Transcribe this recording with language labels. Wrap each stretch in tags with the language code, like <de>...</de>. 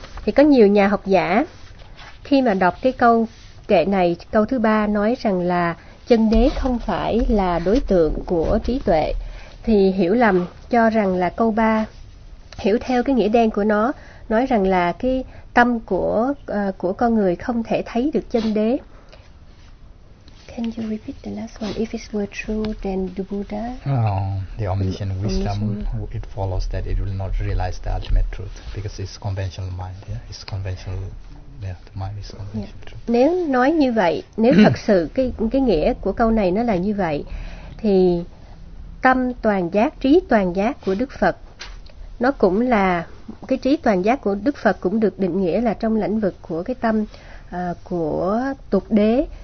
<vi>Thì có nhiều nhà học giả khi mà đọc cái câu kệ này, câu thứ ba nói rằng là chân đế không phải là đối tượng của trí tuệ, thì hiểu lầm, cho rằng là câu ba hiểu theo cái nghĩa đen của nó, nói rằng là cái tâm của con người không thể thấy được chân đế.</vi> <en>Can you repeat the last one? If it were true, then the Buddha? The omniscient wisdom, it follows that it will not realize the ultimate truth because it's conventional mind. Yeah? It's conventional. Yeah.</en> <vi>Nếu nói như vậy, nếu thật sự cái nghĩa của câu này nó là như vậy, thì tâm toàn giác, trí toàn giác của Đức Phật, nó cũng là cái trí toàn giác của Đức Phật cũng được định nghĩa là trong lĩnh vực của cái tâm của tục đế.</vi>